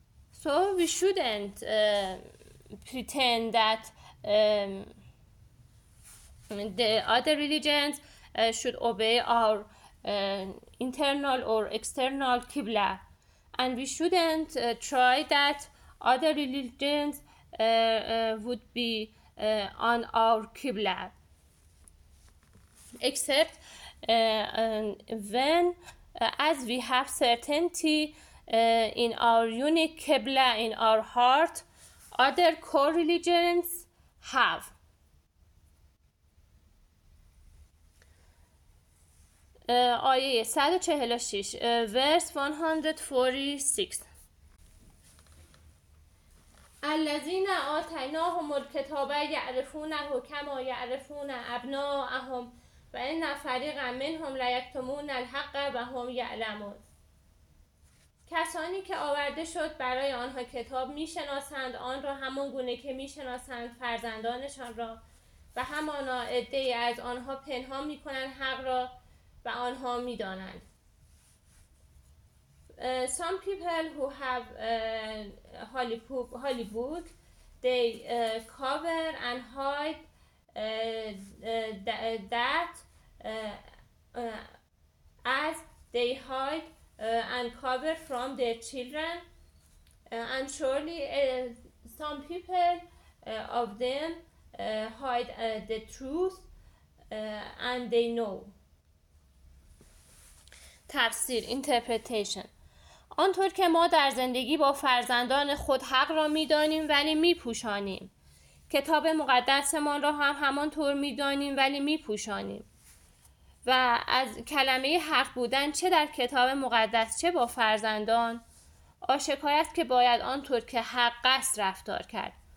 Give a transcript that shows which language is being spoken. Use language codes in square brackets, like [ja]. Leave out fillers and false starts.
[en] So we shouldn't pretend that the other religions should obey our internal or external Qibla, and we shouldn't try that other religions would be on our Qibla, except when as we have certainty in our unique Qibla in our heart, other co-religions have. [fa] آیه 146 ورس 146 [ar] الذين آتيناهم الكتاب يعرفونه كما يعرفون ابناءهم وان فريقا منهم لا يكتمون الحق وهم يعلمون. [fa] کسانی که آورده شد برای آنها کتاب میشناسند آن را همان گونه که میشناسند فرزندانشان را و همانا عده ای از آنها پنهان میکنند حق را و آنها می دانند. [en] Some people who have holy book, they cover and hide as they hide and cover from their children. And surely some people of them hide the truth and they know. [fa] تفسیر interpretation. آنطور که ما در زندگی با فرزندان خود حق را می دانیم ولی می پوشانیم. کتاب مقدس ما را هم همانطور می دانیم ولی می پوشانیم. و از کلمه حق بودن چه در کتاب مقدس چه با فرزندان آشکار است که باید آنطور که حق است رفتار کرد.